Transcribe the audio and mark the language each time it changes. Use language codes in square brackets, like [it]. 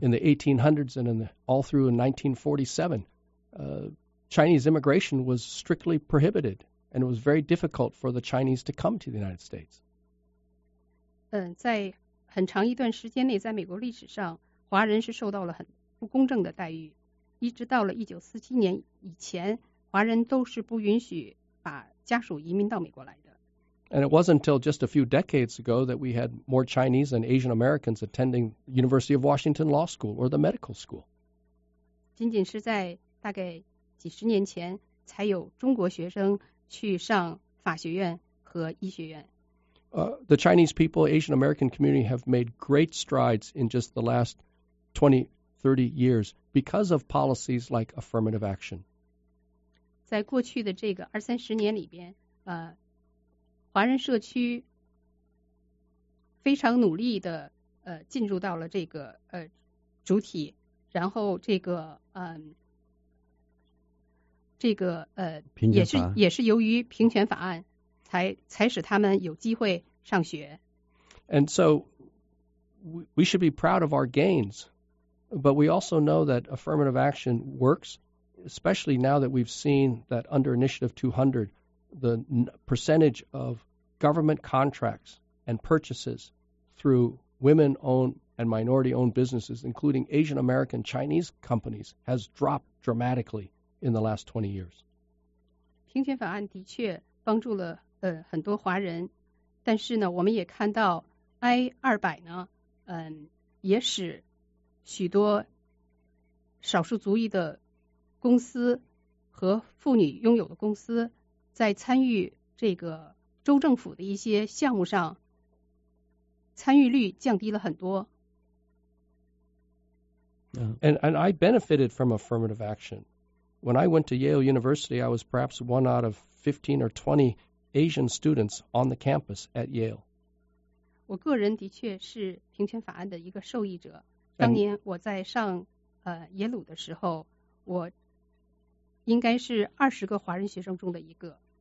[en] In the 1800s and all through 1947, Chinese immigration was strictly prohibited, and it was very difficult for the Chinese to come to the United States. [zh] 在很长一段时间内，在美国历史上，华人是受到了很不公正的待遇。一直到了1947年以前，华人都是不允许把家属移民到美国来的。 [en] And it wasn't until just a few decades ago that we had more Chinese and Asian Americans attending University of Washington Law School or the medical school. [zh] 仅仅是在大概几十年前，才有中国学生去上法学院和医学院。 [en] The Chinese people, Asian American community have made great strides in just the last 20, 30 years because of policies like affirmative action. [zh] 在过去的这个二三十年里边，华人社区非常努力的进入到了这个主体，然后这个这个也是由于平权法案才使他们有机会上学。 [en] And so we should be proud of our gains, but we also know that affirmative action works, especially now that we've seen that under Initiative 200, the percentage of government contracts and purchases through women-owned and minority-owned businesses, including Asian American Chinese companies, has dropped dramatically in the last 20 years. [zh] 平权法案的确帮助了很多华人，但是呢，我们也看到 I-200 呢，也使许多少数族裔的公司和妇女拥有的公司在参与这个州政府的一些项目上参与率降低了很多。 [en] And I benefited from affirmative action. When I went to Yale University, I was perhaps one out of 15 or 20 Asian students on the campus at Yale. [zh] 我个人的确是平权法案的一个受益者。当年我在上耶鲁的时候，我应该是20个华人学生中的一个。